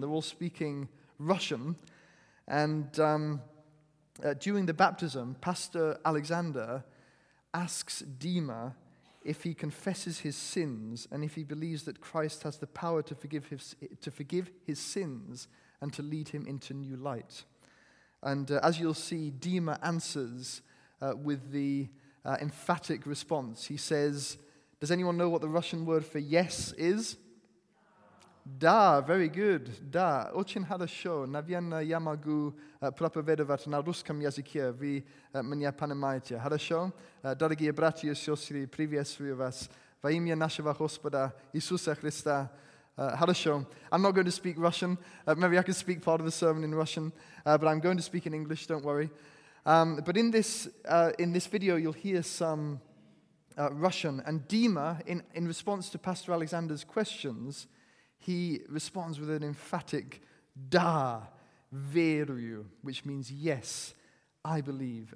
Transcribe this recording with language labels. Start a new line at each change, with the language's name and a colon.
English: They're all speaking Russian. And during the baptism, Pastor Alexander asks Dima if he confesses his sins and if he believes that Christ has the power to forgive his sins and to lead him into new light. And as you'll see, Dima answers with the emphatic response. He says, does anyone know what the Russian word for yes is? Da, very good.
Russian: Da, очень хорошо. Наверное, я могу проповедовать на русском языке. Вы меня понимаете. Хорошо. Дорогие братья и сестры, приветствую вас во имя нашего Господа Иисуса Христа. Хорошо.
English: I'm not going to speak Russian. Maybe I can speak part of the sermon in Russian, but I'm going to speak in English. Don't worry. But in this video, you'll hear some Russian. And Dima, in response to Pastor Alexander's questions, he responds with an emphatic
Russian: "Da, veruyu,"
English: which means "Yes, I believe."